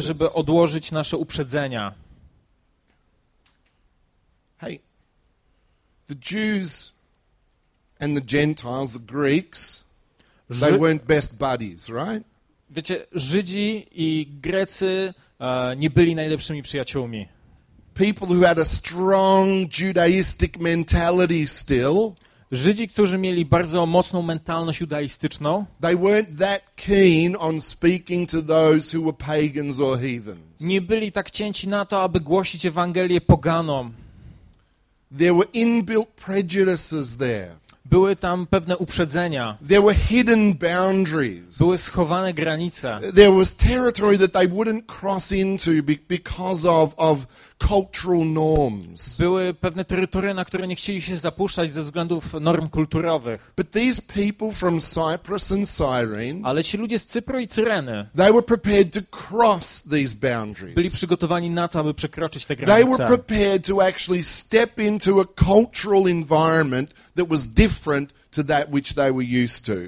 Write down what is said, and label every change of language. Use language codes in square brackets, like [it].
[pl] żeby odłożyć nasze uprzedzenia. [en] Hey, the Jews and the Gentiles, the Greeks, they weren't best buddies, right? [pl] Wiecie, Żydzi i Grecy nie byli najlepszymi przyjaciółmi. [en] People who had a strong Judaistic mentality still. [pl] Żydzi, którzy mieli bardzo mocną mentalność judaistyczną. [en] They weren't that keen on speaking to those who were pagans or heathens. [pl] Nie byli tak cięci na to, aby głosić Ewangelię poganom. [en] There were inbuilt prejudices there. [pl] Były tam pewne uprzedzenia. [en] There were hidden boundaries. [pl] Były schowane granice. [en] There was territory that they wouldn't cross into because of cultural norms. [pl] Były pewne terytoria, na które nie chcieli się zapuszczać ze względów norm kulturowych. [en] But these people from Cyprus and Cyrene, [pl] ale ci ludzie z Cypru i Cyreny, [en] they were prepared to cross these boundaries. [pl] Byli przygotowani na to, aby przekroczyć te granice. [en] They were prepared to actually step into a cultural environment that was different to that which they were used to.